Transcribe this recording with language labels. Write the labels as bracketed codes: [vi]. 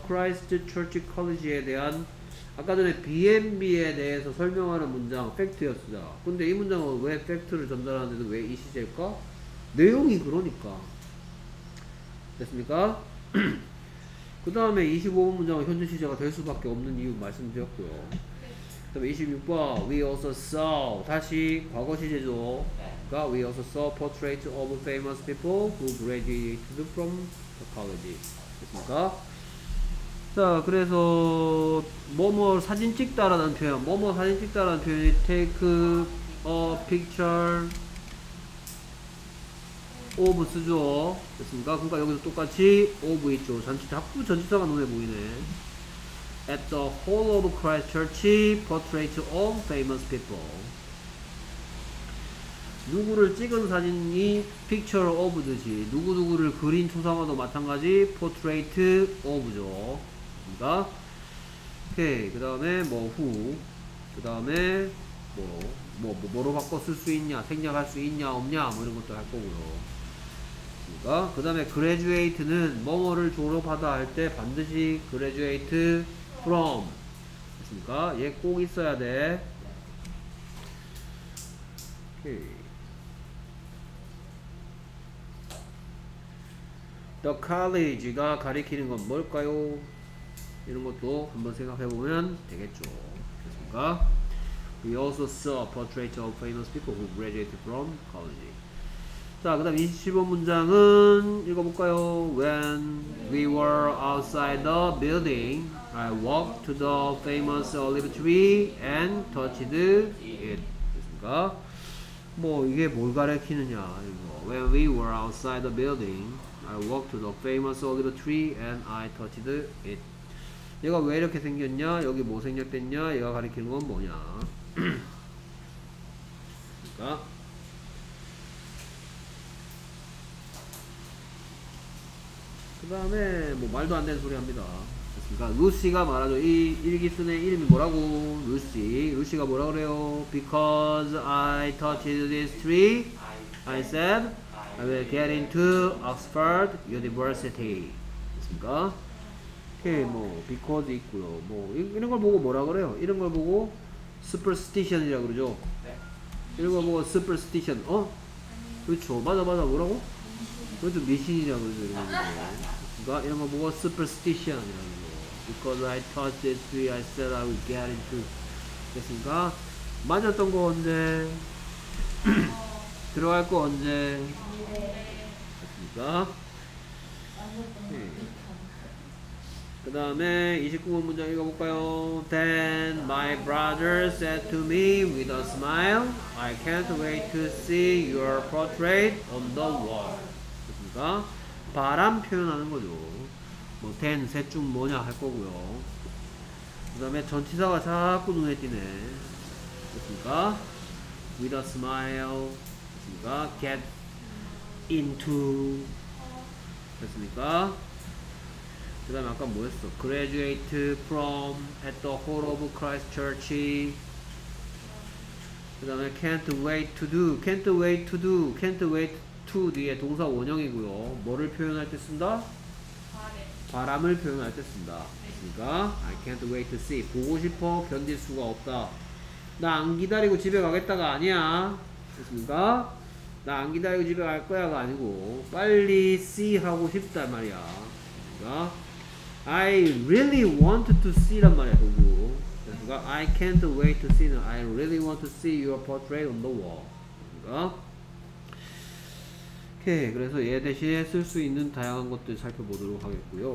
[ko] Christ Church College에 대한 아까 전에 BNB에 대해서 설명하는 문장 팩트였어요. 근데 이 문장은 왜 팩트를 전달하는데도 왜 이 시제일까? 내용이 그러니까. 됐습니까? 그 다음에 25번 문장은 현재 시제가 될 수밖에 없는 이유 말씀드렸고요. 그 다음에 26번 [en] We also saw [ko] 다시 과거 시제죠. [en] We also saw portraits of famous people who graduated from the college. [ko] 됐습니까? 자, 그래서 뭐뭐 사진 찍다라는 표현, 뭐뭐 사진 찍다라는 표현이 [en] take a picture of [ko] 쓰죠. 됐습니까? 그러니까 여기서 똑같이 of 있죠. 자꾸 전치사가 눈에 보이네. [en] At the Hall of Christ Church, portraits of famous people. [ko] 누구를 찍은 사진이 picture of듯이 누구누구를 그린 초상화도 마찬가지 portrait of죠. 그니까 오케이. 그 다음에 뭐 who, 그 다음에 뭐로 바꿔 쓸 수 있냐, 생략할 수 있냐 없냐 뭐 이런 것도 할 거고요. 그니까 그 다음에 graduate는 뭐뭐를 졸업하다 할 때 반드시 [en] graduate from. [ko] 됐습니까? 얘 꼭 있어야 돼. 오케이. The college가 가리키는 건 뭘까요? 이런 것도 한번 생각해보면 되겠죠. 됐습니까? [en] We also saw a portrait of famous people who graduated from college. [ko] 자, 그 다음 27번 문장은 읽어볼까요? [en] When we were outside the building, I walked to the famous olive tree and touched it. [ko] 됐습니까? 뭐 이게 뭘 가리키느냐. [en] When we were outside the building, I walked to the famous olive tree and I touched it. [ko] 얘가 왜 이렇게 생겼냐? 여기 뭐 생겼댔냐? 얘가 가리키는 건 뭐냐? 그러니까 그 다음에 뭐 말도 안 되는 소리 합니다. 됐습니까? 루시가 말하죠. 이 일기순의 이름이 뭐라고? 루시. 루시가 뭐라고 그래요? [en] Because I touched this tree, I said I will get into Oxford University. [ko] 됐습니까? 오케이, 뭐 because 있고요. 뭐 이런 걸 보고 뭐라 그래요? 이런 걸 보고 superstition이라 그러죠. 네. 이런 걸 보고 superstition. 어? 그렇죠. 맞아, 맞아. 뭐라고? 그것도 미신이라 그러죠. 이런 거. 그러니까 이런 걸 보고 superstition이라 그러죠. [en] Because I touched this tree, I said I would get into. [ko] 됐습니까? 맞았던 거 언제? 들어갈 거 언제? 됐습니까? 네. 그 다음에 29번 문장 읽어볼까요? [en] Then my brother said to me with a smile, I can't wait to see your portrait on the wall. [ko] 그니까 바람 표현하는 거죠. 뭐 then 셋 중 뭐냐 할 거고요. 그 다음에 전치사가 자꾸 눈에 띄네. 그니까 [en] with a smile. [ko] 그니까 [en] get into. [ko] 됐습니까? 그 다음에 아까 뭐였어? [en] graduate from at the hall of Christ Church. [ko] 그 다음에 [en] can't wait to do. can't wait to do. can't wait to [ko] 뒤에 동사 원형이고요. 뭐를 표현할 때 쓴다? 바람을 표현할 때 쓴다. 그러니까 [en] I can't wait to see. [ko] 보고 싶어. 견딜 수가 없다. 나 안 기다리고 집에 가겠다가 아니야. 그렇습니까? 나 안 기다리고 집에 갈 거야가 아니고 빨리 see 하고 싶단 말이야. 그러니까 [en] I really want to see [ko] 란 말이야, 도구. 그러니까 [en] I can't wait to see. I really want to see your portrait on the wall. [ko] 그러니까. 오케이, 그래서 얘 대신에 쓸 수 있는 다양한 것들 살펴보도록 하겠고요.